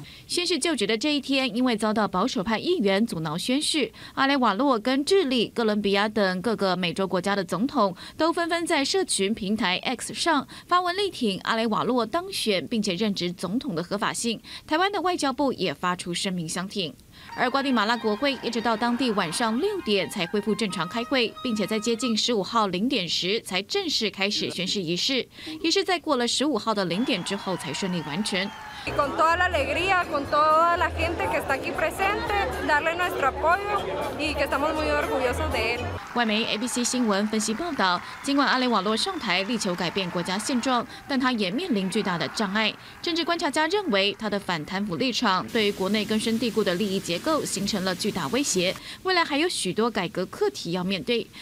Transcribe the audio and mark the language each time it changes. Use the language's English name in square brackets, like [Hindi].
[Chinese] 宣誓就职的这一天，因为遭到保守派议员阻挠宣誓，阿雷瓦洛跟智利、哥伦比亚等各个美洲国家的总统都纷纷在社群平台 X 上发文力挺阿雷瓦洛当选并且任职总统的合法性。台湾的外交部也发出声明相挺。而瓜地马拉国会一直到当地晚上6点才恢复正常开会，并且在接近15号0点时才正式开始宣誓仪式。仪式在过了15号的0点之后才顺利完成。 [Spanish] Con toda la alegría, con toda la gente que está aquí presente, darle nuestro apoyo y que estamos muy orgullosos de él. [Chinese] 外媒 ABC 新闻分析报道，尽管阿雷瓦洛上台力求改变国家现状，但他也面临巨大的障碍。政治观察家认为，他的反贪腐立场对于国内根深蒂固的利益结构形成了巨大威胁，未来还有许多改革课题要面对。